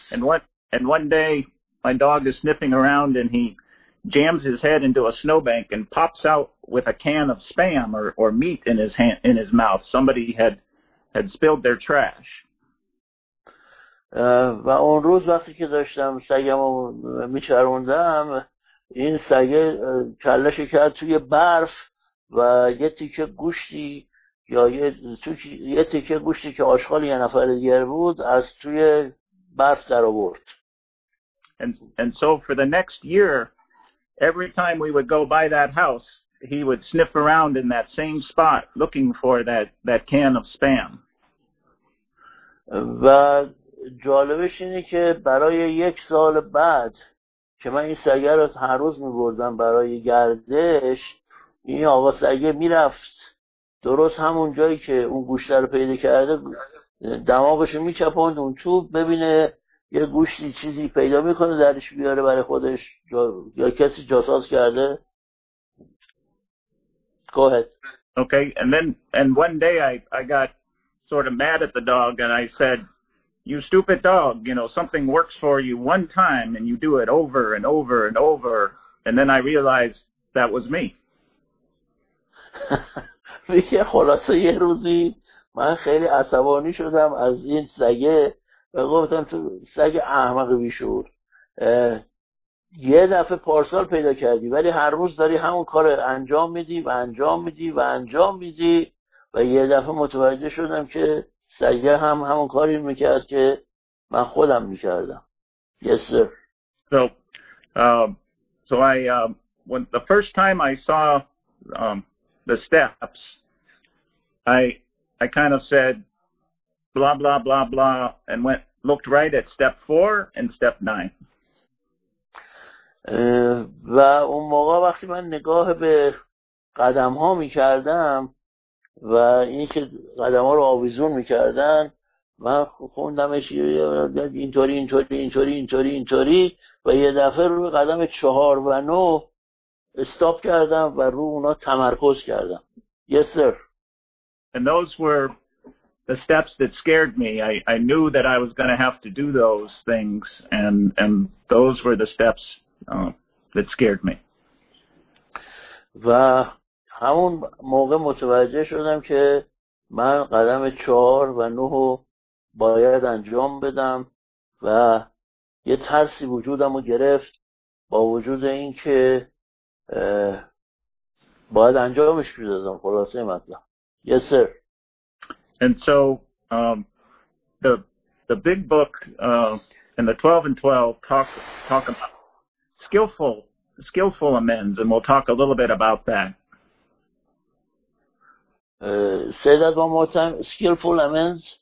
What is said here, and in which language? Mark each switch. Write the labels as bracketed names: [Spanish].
[English] And one day my dog is sniffing around and he jams his head into a snowbank and pops out with a can of spam or meat in his hand, in his mouth. Somebody had spilled their trash. [Persian] و اون روز وقتی که داشتم سگم میچروندم، این سگ کلش کرد توی برف و یه تیکه گوشتی یا یه تیکه گوشتی که آشغال یه نفر دیگر بود از توی برف در آورد. [English] And so for the next year, every time we would go by that house, he would sniff around in that same spot looking for that can of spam. [Persian] و جالبش اینه که برای یک سال بعد که من این سگ رو هر روز می‌بردم برای گردش، این آقا سگه می‌رفت درست همون جایی که اون گوشت رو پیدا کرده، دماغش رو می‌چپوند اون تو ببینه یه گوشتی چیزی پیدا می‌کنه درش بیاره برای خودش یا کسی جاساز کرده. [English] Go ahead. Okay, and one day I got sort of mad at the dog and I said, "You stupid dog, you know, something works for you one time and you do it over and over and over." And then I realized that was me. [Persian] میگه خلاصه یه روزی من خیلی عصبانی شدم از این سگه و گفتم تو سگ احمق بیشور، یه دفعه پارسال پیدا کردی ولی هر روز داری همون کار انجام میدی و انجام میدی و انجام میدی، و یه دفعه متوجه شدم که سگه هم همون کاری میکرد که من خودم میکردم. [English] Yes sir. So when the first time I saw the steps, I kind of said blah blah blah blah and went looked right at step 4 and step 9. [Persian] و اون موقع وقتی من نگاه به قدم ها میکردم و این که قدم ها رو آویزون میکردن، من خوندمش اینطوری و یه دفعه رو قدم 4 و 9 استاپ کردم و رو اونا تمرکز کردم. [English] Yes sir. And those were the steps that scared me. I knew that I was going to have to do those things, and those were the steps that scared me. [Persian] و همون موقع متوجه شدم که من قدم 4 و 9 رو باید انجام بدم و یه ترسی وجودم رو گرفت با وجود این که باید انجامش بدادم. خلاصه مطلب. [English] Yes sir. And so the big book and the 12 and 12 talk about skillful amends, and we'll talk a little bit about that. Say that one more time. Skillful amends.